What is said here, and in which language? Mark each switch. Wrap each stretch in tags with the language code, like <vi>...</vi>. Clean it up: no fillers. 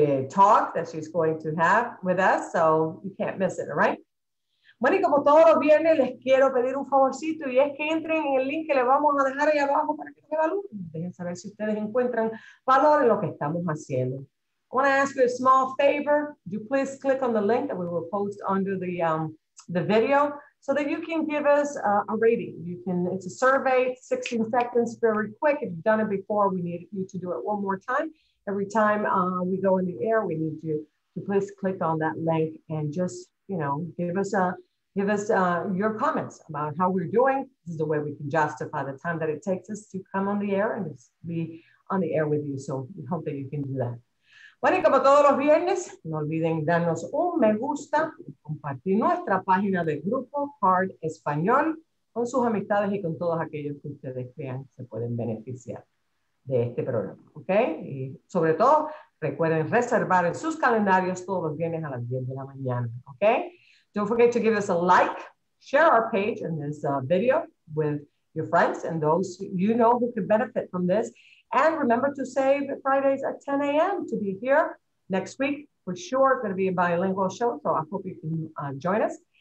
<en>Talk that she's going to have with us, so you can't miss it, all right?</en> <es>Bueno, y como todos los viernes, les quiero pedir un favorcito y es que entren en el link que le vamos a dejar ahí abajo para que se evalúen. Dejen saber si ustedes encuentran valor en lo que estamos haciendo.</es> <en>I want to ask you a small favor. Would you please click on the link that we will post under the video so that you can give us a rating? It's a survey, 16 seconds, very quick. If you've done it before, we need you to do it one more time. Every time we go in the air, we need you to please click on that link and just, you know, give us your comments about how we're doing. This is the way we can justify the time that it takes us to come on the air and just be on the air with you. So we hope that you can do that.</en> <es>Bueno, y como todos los viernes, no olviden darnos un me gusta y compartir nuestra página de grupo Hard Español con sus amistades y con todos aquellos que ustedes crean se pueden beneficiar de este programa, ¿ok? Y sobre todo, recuerden reservar en sus calendarios todos los viernes a las 10 de la mañana, ¿ok?</es> <en>Don't forget to give us a like, share our page and this video with your friends and those you know who could benefit from this. And remember to save Fridays at 10 a.m. to be here next week. For sure, it's going to be a bilingual show, so I hope you can join us.</en>